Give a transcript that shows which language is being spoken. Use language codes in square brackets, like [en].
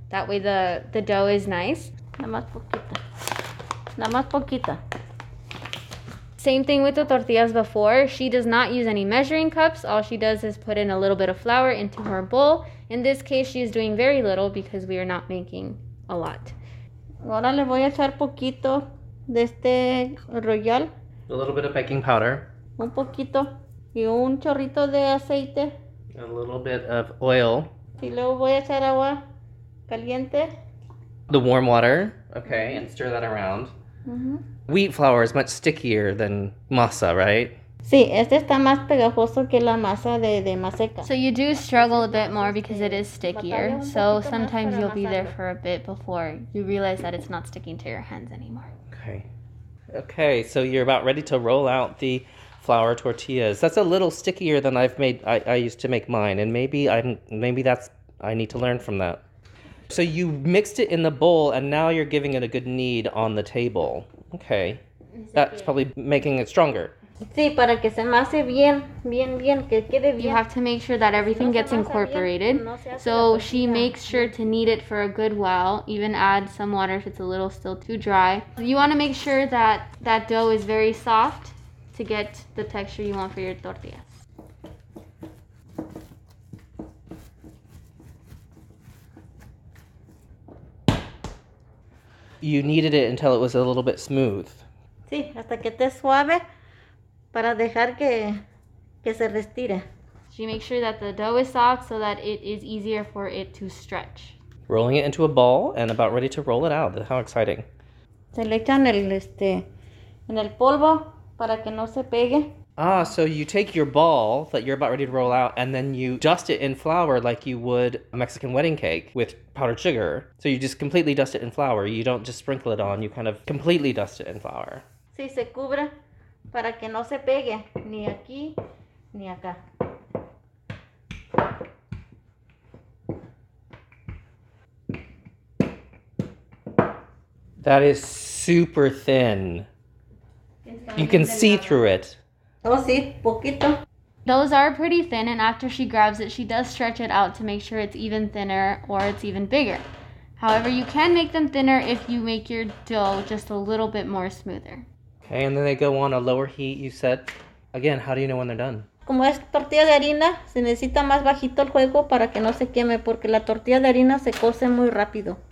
[en] That way the dough is nice. [es] Nada más poquita. [en] Same thing with the tortillas before. She does not use any measuring cups. All she does is put in a little bit of flour into her bowl. In this case, she is doing very little because we are not making a lot. [es] Ahora le voy a echar poquito de este royal. [en] A little bit of baking powder. [es] Un poquito. Y un chorrito de aceite. [en] A little bit of oil. [es] Y luego voy a echar agua caliente. [en] The warm water. Okay, and stir that around. Mm-hmm. Wheat flour is much stickier than masa, right? [es] Sí, este está más pegajoso que la masa de maseca. [en] So you do struggle a bit more because it is stickier. So sometimes you'll be there for a bit before you realize that it's not sticking to your hands anymore. Okay. Okay, so you're about ready to roll out the flour tortillas. That's a little stickier than I've made. I used to make mine, and I need to learn from that. So you mixed it in the bowl, and now you're giving it a good knead on the table. Okay, that's probably making it stronger. [es] Sí, para que se mase bien, bien, bien, que quede bien. [en] You have to make sure that everything gets incorporated. So she makes sure to knead it for a good while, even add some water if it's a little still too dry. You want to make sure that that dough is very soft to get the texture you want for your tortillas. You kneaded it until it was a little bit smooth. [es] Sí, hasta que esté suave para dejar que se retire. [en] She makes sure that the dough is soft so that it is easier for it to stretch. Rolling it into a ball and about ready to roll it out. How exciting. [es] Se le echan en el polvo para que no se pegue. [en] Ah, so you take your ball that you're about ready to roll out and then you dust it in flour like you would a Mexican wedding cake with powdered sugar. So you just completely dust it in flour. You don't just sprinkle it on. You kind of completely dust it in flour. [es] Sí, se cubre para que no se pegue ni aquí ni acá. [en] That is super thin. You can see through it. [es] Oh, sí, poquito. [en] Those are pretty thin, and after she grabs it, she does stretch it out to make sure it's even thinner or it's even bigger. However, you can make them thinner if you make your dough just a little bit more smoother. Okay, and then they go on a lower heat, you said. Again, how do you know when they're done? [es] Como es tortilla de harina, se necesita más bajito el fuego para que no se queme, porque la tortilla de harina se cose muy rápido.